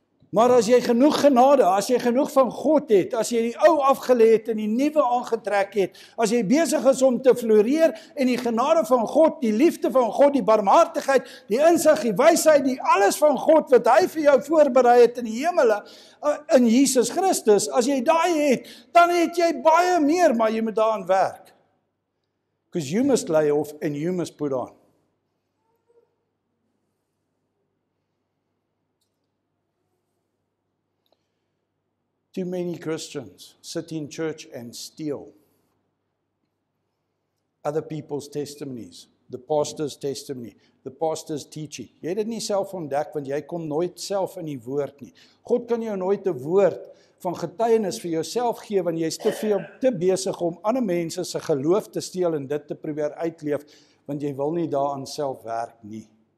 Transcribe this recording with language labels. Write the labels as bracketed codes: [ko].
[af] Maar as jy genoeg genade, as jy genoeg van God het, as jy die ou afgelê het en die nuwe aangetrek het, as jy besig is om te floreer en die genade van God, die liefde van God, die barmhartigheid, die insig, die wysheid, die alles van God wat hy vir jou voorberei het in die hemele, in Jesus Christus, as jy daai het, dan het jy baie meer, maar jy moet daaraan werk. [en] Because you must lay off and you must put on. Too many Christians sit in church and steal other people's testimonies, the pastor's testimony, the pastor's teaching. [af] Jy het nie self ontdek, want jy kom nooit self in die woord nie. God kan jou nooit 'n woord van getuienis vir jouself gee, want jy is te besig om ander mense se geloof te steel en dit te probeer uitleef, want jy wil nie daaraan self werk nie.